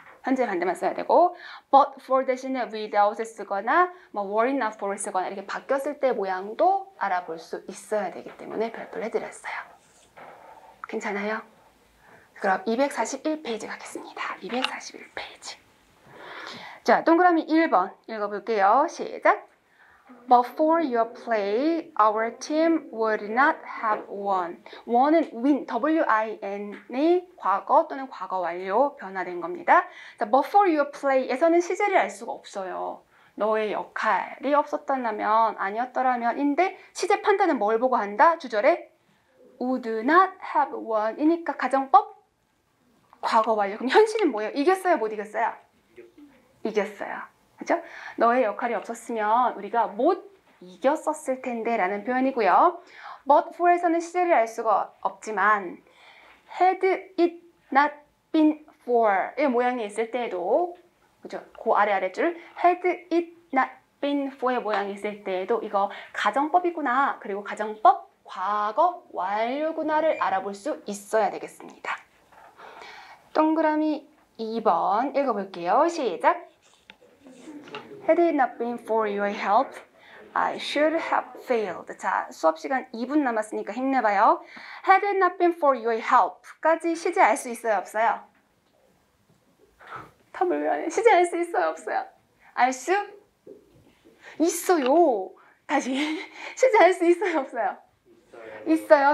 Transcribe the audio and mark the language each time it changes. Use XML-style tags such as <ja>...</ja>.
<ko>현재의 반대만 써야 되고 but for 대신에 without을 쓰거나 뭐 were it not for을 쓰거나 이렇게 바뀌었을 때 모양도 알아볼 수 있어야 되기 때문에 별표를 해드렸어요. 괜찮아요? 그럼 241페이지 가겠습니다. 241페이지. 자, 동그라미 1번 읽어볼게요. 시작.</ko> <en>But for your play, our team would not have won.</en> <ko>Won은 win, W-I-N의 과거 또는 과거 완료 변화된 겁니다. 자, but for your play에서는 시제를 알 수가 없어요. 너의 역할이 없었다면, 아니었더라면인데 시제 판단은 뭘 보고 한다? 주절에 would not have won이니까 가정법? 과거 완료. 그럼 현실은 뭐예요? 이겼어요? 못 이겼어요? 이겼어요. 그렇죠? 너의 역할이 없었으면 우리가 못 이겼었을 텐데 라는 표현이고요. But for에서는 시제를 알 수가 없지만</ko> <en>Had it not been for</en> <ko>의 모양이 있을 때에도 그죠? 그 아래 아래 줄</ko> <en>had it not been for</en> <ko>의 모양이 있을 때에도 이거 가정법이구나. 그리고 가정법 과거 완료구나를 알아볼 수 있어야 되겠습니다. 동그라미 2번 읽어볼게요. 시작!</ko> <en>Had it not been for your help, I should have failed.</en> <ko>자, 수업시간 2분 남았으니까 힘내봐요. Had it not been for your help 까지 시제 알 수 있어요? 없어요? 답을 왜 안 해? 시제 알 수 있어요? 없어요? 알 수? 있어요. 다시. 시제 알 수 있어요? 없어요? 있어요.</ko>